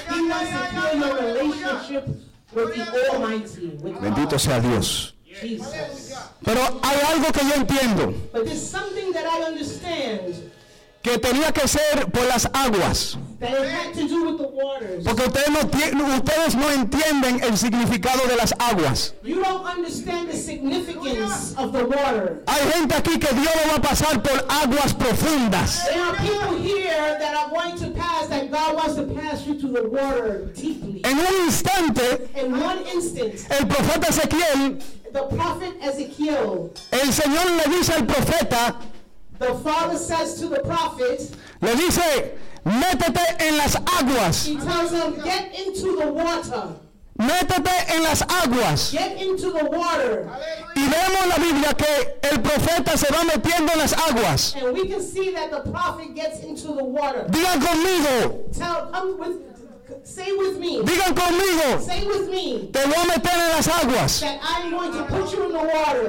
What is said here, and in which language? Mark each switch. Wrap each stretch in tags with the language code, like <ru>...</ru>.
<en>He wants to kill your relationship with the Almighty, with God.</en> <es>Bendito sea Dios.</es> <en>Jesus.</en> <es>Pero hay algo que yo entiendo.</es> <en>But there's something that I understand.</en> <es>Que tenía que ser por las aguas.</es> <en>That it had to do with the waters.</en> <es>Porque ustedes no entienden el significado de las aguas.</es> <en>You don't understand the significance of the water.</en> <es>Hay gente aquí que Dios lo va a pasar por aguas profundas.</es> <en>There are people here that are going to pass, that God wants to pass you to the water deeply.</en> <es>En un instante,</es> <en>in one instant,</en> <es>el profeta Ezequiel,</es> <en>the prophet Ezequiel,</en> <es>el Señor le dice al profeta,</es> <en>the father says to the prophet,</en> <es>le dice, métete en las aguas.</es> <en>He tells him, get into the water.</en> <es>Métete en las aguas.</es> <en>Get into the water.</en> <es>Y vemos en la Biblia que el profeta se va metiendo en las aguas.</es> <en>And we can see that the prophet gets into the water.</en> <es>Diga conmigo.</es> <en>Say with me.</en> <es>Digan conmigo.</es> <en>Say with me.</en> <es>Te voy a meter en las aguas.</es> <en>That I'm going to put you in the water.</en>